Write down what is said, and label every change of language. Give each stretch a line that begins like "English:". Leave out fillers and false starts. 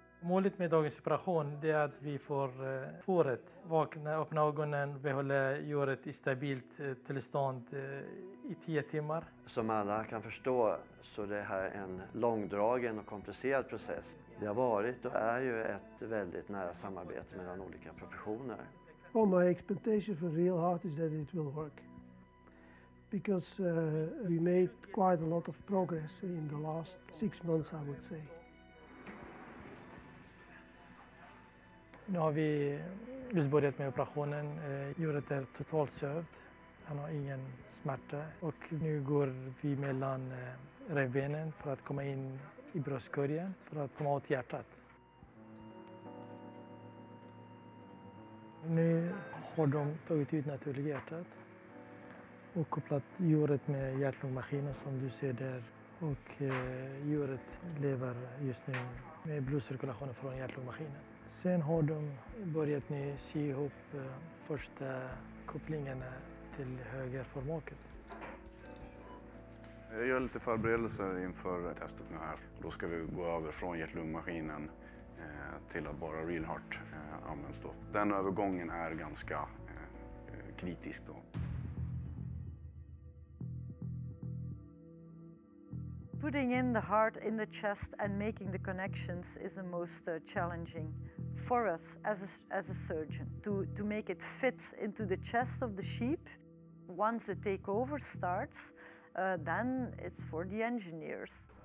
Swedish: Målet med dagens operation är att vi får fåret vakna, öppna ögonen och behålla djuret i stabilt tillstånd i 10 timmar. Som alla kan förstå så är det här en långdragen och komplicerad process. Det har varit och är ju ett väldigt nära samarbete mellan olika professioner.
English: Well, my expectation for real heart is that it will work. Because we made quite a lot of progress in the last 6 months, I would say.
Swedish: Nu har vi just börjat med operationen. Djuret är totalt sövd. Han har ingen smärta. Och nu går vi mellan revbenen för att komma in i bröstkorgen för att komma åt hjärtat. Nu har de tagit ut naturligt hjärtat och kopplat djuret med hjärtlungmaskinen som du ser där. Och djuret lever just nu med blodcirkulationen från hjärtlungmaskinen. Sen har de börjat nu sy ihop första kopplingarna till höger förmaket. Jag gör lite förberedelser inför testet nu här. Då ska vi gå över från hjärtlungmaskinen till att bara real heart används då. Den övergången är ganska kritisk då.
English: Putting in the heart in the chest and making the connections is the most challenging for us as a surgeon to make it fit into the chest of the sheep. Once the takeover starts, then it's for the engineers.